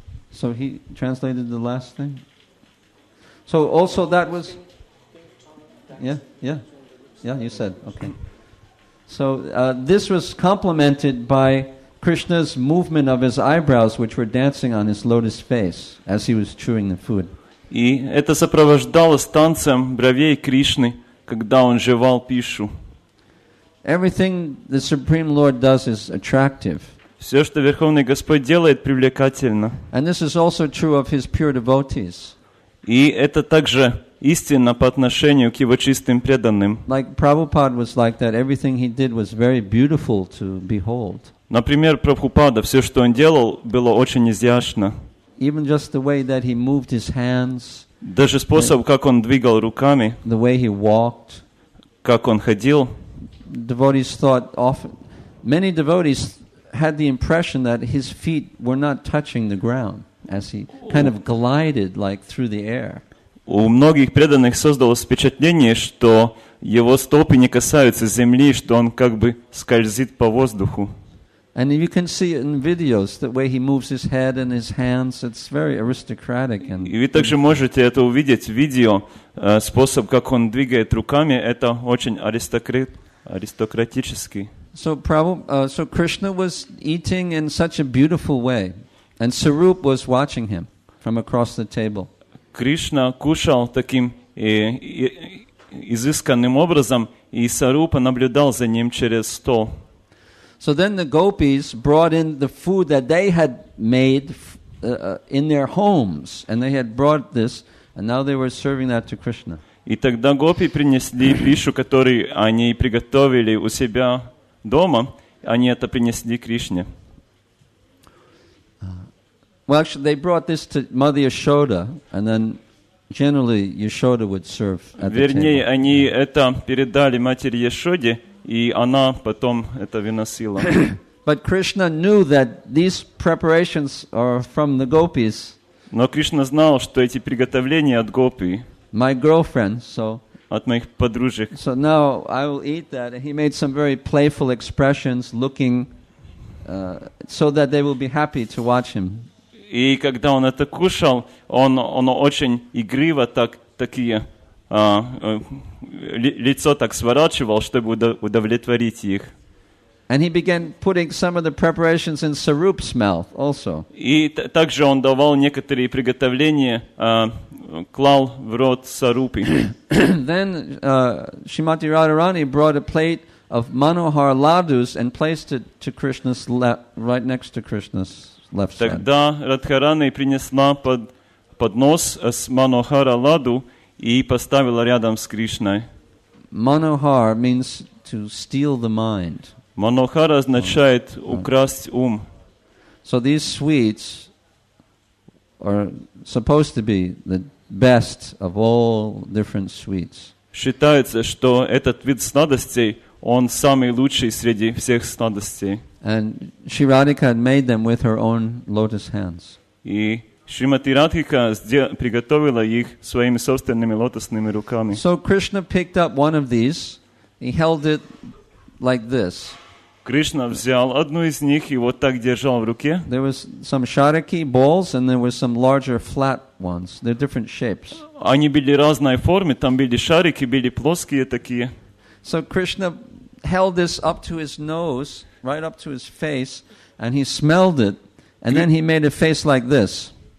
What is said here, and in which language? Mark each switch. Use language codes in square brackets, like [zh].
[en] So he translated the last thing. So also that was... Yeah, you said, okay. So this was complemented by Krishna's movement of his eyebrows, which were dancing on his lotus face as he was chewing the food. [ru] И это сопровождалось танцем бровей Кришны, когда он жевал пищу. [en] Everything the Supreme Lord does is attractive. [ru] Все, что Верховный Господь делает, привлекательно. [en] And this is also true of his pure devotees. [ru] И это также истинно по отношению к его чистым преданным. [en] Like Prabhupada was like that. Everything he did was very beautiful to behold. [ru] Например, Прабхупада, все, что он делал, было очень изящно. [en] Even just the way that he moved his hands. [ru] Даже способ, как он двигал руками. [en] The way he walked. [ru] Как он ходил. [en] Devotees thought often. Many devotees had the impression that his feet were not touching the ground as he kind of glided like through the air. [ru] У многих преданных создалось впечатление, что его стопы не касаются земли, что он как бы скользит по воздуху. [en] And you can see in videos the way he moves his head and his hands. It's very aristocratic. And [ru] и вы также можете это увидеть в видео. Способ, как он двигает руками, это очень аристократический. [en] So Krishna was eating in such a beautiful way, and Sarup was watching him from across the table. [ru] Кришна кушал таким изысканным образом, и Сарупа наблюдал за ним через стол. [en] So then the gopis brought in the food that they had made in their homes, and they had brought this, and now they were serving that to Krishna. [ru] И тогда гопи принесли пищу, которую они приготовили у себя дома, они это принесли Кришне. [en] Well, actually, they brought this to Mother Yashoda, and then generally Yashoda would serve at the table. [ru] Вернее, они это передали матери Яшоде, и она потом это выносила. [en] But Krishna knew that these preparations are from the gopis. [ru] Но Кришна знал, что эти приготовления от гопи. [en] My girlfriend, so. [ru] От моих подружек. [en] So now I will eat that. He made some very playful expressions, looking so that they will be happy to watch him. [ru] И когда он это кушал, он очень игриво лицо так сворачивал, чтобы удовлетворить их. [en] And he began putting some of the preparations in Sarup's mouth also. [ru] И также он давал некоторые приготовления, клал в рот Сарупи. [en] Then Shrimati Radharani brought a plate of Manohar Ladus and placed it to Krishna's right next to Krishna's left side. [ru] Тогда Радхарани принесла поднос с Манохара Ладу и поставила рядом с Кришной. [en] Manohar means to steal the mind. [ru] Манохара означает украсть ум. [en] So these sweets are supposed to be the best of all different sweets. [ru] Считается, что этот вид сладостей, он самый лучший среди всех сладостей. [en] And Shri Radhika had made them with her own lotus hands. [ru] И Шримати Радхика приготовила их своими собственными лотосными руками. [en] So Krishna picked up one of these. He held it like this. [ru] Кришна взял одну из них и вот так держал в руке. [en] There was some shariki balls and there were some larger flat ones. They're different shapes. [ru] Они были разной формы. Там были шарики, были плоские такие. [en] So Krishna held this up to his nose, right up to his face, and he smelled it, and then he made a face like this.